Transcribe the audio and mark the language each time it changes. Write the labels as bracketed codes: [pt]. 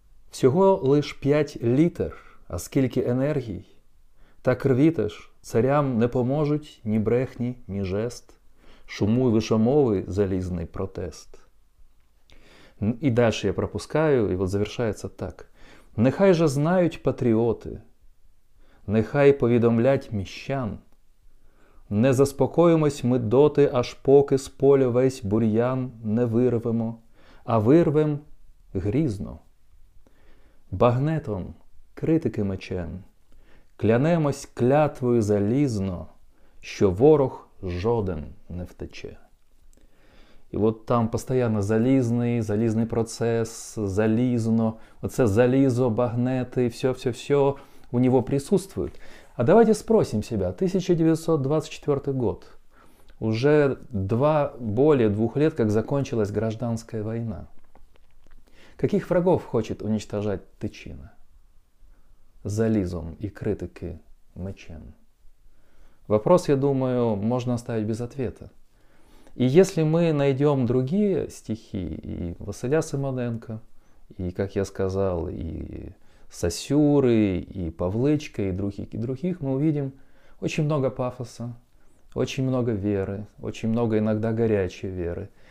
[uk] Всього лиш 5 літер, а скільки енергій. Так рвіте ж, царям не поможуть ні брехні, ні жест. Шуму и вышумовый залезный протест. [ru] И дальше я пропускаю, и вот завершается так. [uk] Нехай же знают патриоты, нехай повідомлять міщан. Не заспокоїмось ми доти, аж поки з поля весь бур'ян не вирвемо, а вирвем грізно. Багнетом, критики мечем, клянемось клятвою залізно, що ворог жоден не втече. І от там постійно залізний, залізний процес, залізно, оце залізо, багнети, все-все-все у нього присутствують. [ru] А давайте спросим себя, 1924 год, уже более двух лет, как закончилась гражданская война. Каких врагов хочет уничтожать Тычина? [uk] Залізом и критики мечем. [ru] Вопрос, я думаю, можно оставить без ответа. И если мы найдем другие стихи, и Василя Симоненко, и, как я сказал, и Сосюры, и Павличка, и других, мы увидим очень много пафоса, очень много веры, очень много иногда горячей веры.